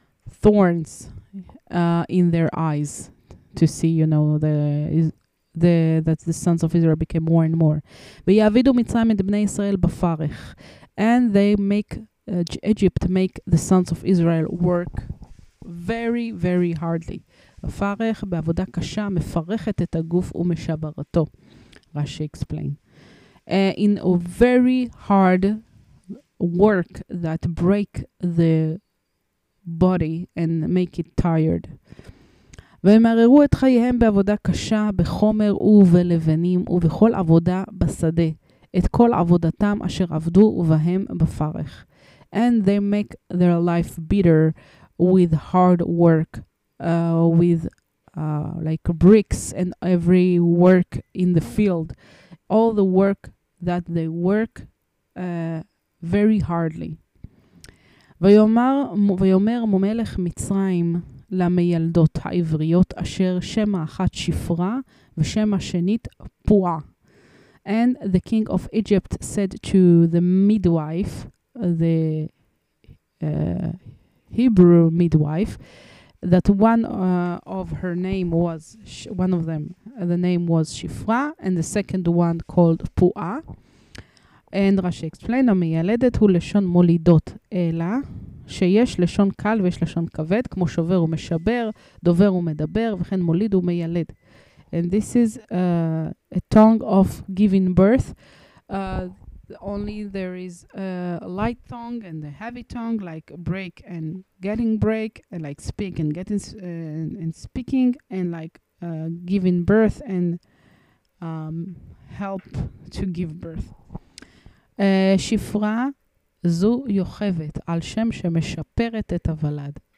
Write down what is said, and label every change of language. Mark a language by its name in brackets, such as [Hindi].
[English] Thorns in their eyes to see, you know, that the sons of Israel became more and more. [Hebrew] ויעבידו מצרים את בני ישראל בפרך. [English] And they make Egypt make the sons of Israel work very, very hardly. [Hebrew] בפרך, בעבודה קשה, מפרכת את הגוף ומשברתו. [English] רש"י explain. In a very hard work that break the body and make it tired. [Hebrew] ומררו את חייהם בעבודה קשה, בחומר ובלבנים ובכל עבודה בשדה, את כל עבודתם אשר עבדו ובהם בפרך. [English] And they make their life bitter with hard work, with like bricks and every work in the field, all the work that they work very hardly. [Hebrew] ויאמר מלך מצרים למילדות העבריות אשר שם אחת שפרה ושם שנית פועה. [English] And the king of Egypt said to the midwife, the Hebrew midwife, that one of her name was one of them, the name was Shifra, and the second one called Pua. And Rashi explained, [Hebrew] המילדת הוא לשון מולידות, אלא שיש לשון קל ויש לשון כבד, כמו שובר ומשבר, דובר ומדבר, וכן מוליד ומילד. [English] And this is a tongue of giving birth. Only there is a light tongue and a heavy tongue, like break and getting break, and like speak and getting and speaking, and like giving birth and help to give birth. [Hebrew] שפרה זו יוכבת על שם שמשפרת את הולד.